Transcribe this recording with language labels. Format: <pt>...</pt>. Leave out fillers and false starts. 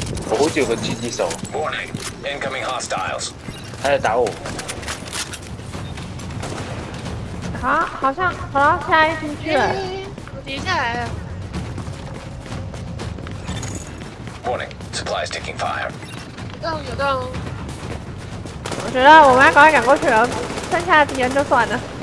<zh>我好像有个狙击手。</zh> <en>Warning, incoming hostiles.</en> <zh>他在打我。好，好像好了，现在进去了。我叠下来了。</zh> <en>Warning, supplies taking fire.</en> <zh>有洞。我觉得我们要赶快赶过去了，剩下的敌人就算了。</zh>